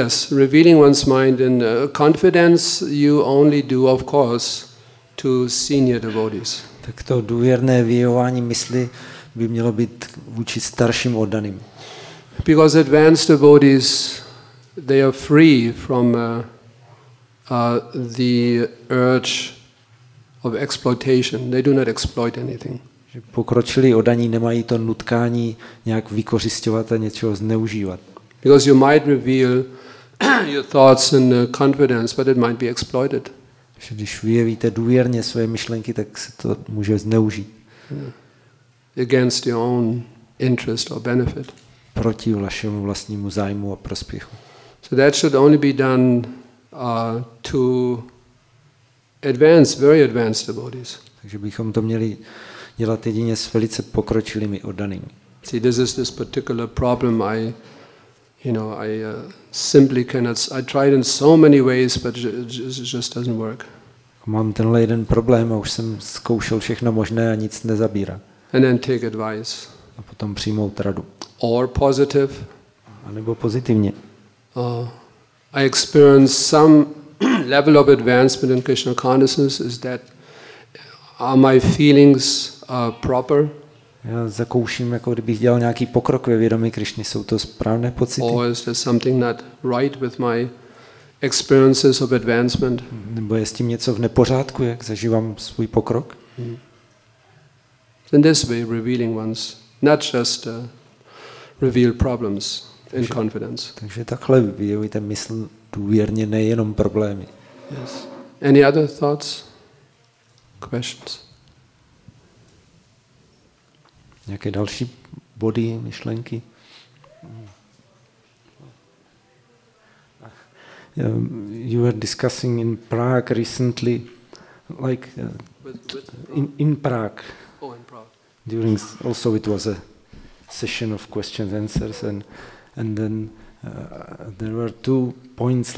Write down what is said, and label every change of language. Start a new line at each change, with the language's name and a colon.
English: Revealing one's mind and confidence you only do, of course, to senior devotees.
Czech: Tak to důvěrné vyjevování mysli by mělo být vůči starším oddaným.
English: Because advanced devotees, they are free from the urge of exploitation. They do not exploit anything.
Czech: Že pokročilí oddaní nemají to nutkání nějak vykořisťovat a něčeho zneužívat.
English: Because you might reveal your thoughts and confidence, but it might be exploited.
Czech: Že když vyjevíte důvěrně své myšlenky, tak se to může zneužít.
English: Against your own interest or benefit.
Czech: Proti vašemu vlastnímu zájmu a prospěchu.
English: So that should only be done to advance, very advanced devotees.
Czech: Takže bychom to měli dělat jedině s velice pokročilými oddanými.
English: See, this is this particular problem I tried in so many ways, but it just doesn't work.
Czech: Mám tenhle jeden problém a už jsem zkoušel všechno možné a nic nezabírá.
English: And then take advice.
Czech: A potom přijmout radu.
English: Or positive.
Czech: A nebo pozitivně.
English: I experienced some level of advancement in Krishna consciousness is that are my feelings proper?
Czech: Já zakouším, jako kdybych dělal nějaký pokrok ve vědomí Krišny, jsou to správné pocity?
English: Or is there something not right with my experiences of advancement?
Czech: Nebo je s tím něco v nepořádku, jak zažívám svůj pokrok?
English: In this way, revealing ones, not just reveal problems in confidence.
Czech: Takže takhle vyjevujte mysl důvěrně, nejenom problémy.
English: Yes. Any other thoughts? Questions?
Czech: Nějaké další body, myšlenky?
English: You were discussing in Prague recently, like in Prague. Oh, in Prague. During also it was a session of questions answers and then there were two points.